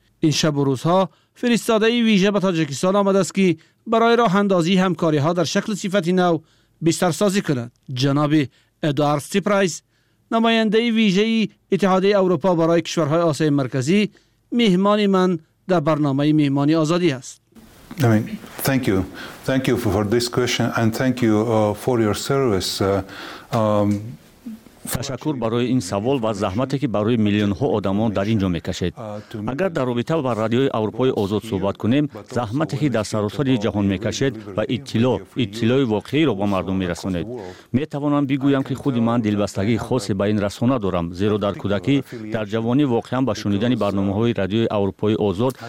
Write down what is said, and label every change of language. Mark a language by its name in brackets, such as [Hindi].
[Persian] این شب و روزها فرستاده ویژه به تاجیکستان آمده است که برای راه اندازی همکاری ها در شکل صفت نو بستر سازی کند. جناب ادوارد سیپرایس نماینده ویژه اتحادیه اروپا برای کشورهای آسیای مرکزی مهمان من در برنامه مهمانی آزادی است. [English] I mean, thank you for this question and thank you for your service. [Persian] تشکر برای این سوال و زحمتی که برای میلیون ها آدمان در اینجا میکشید. اگر در رابطه با رادیو اروپای آزاد صحبت کنیم، زحمتی که در سراسر جهان میکشید و اطلاع واقعی را به مردم میرسانید. میتوانم بگویم که خود من دلبستگی خاصی به این رسانه دارم، زیرا در کودکی در جوانی واقعا به شنیدن برنامه های رادیو اروپای آزاد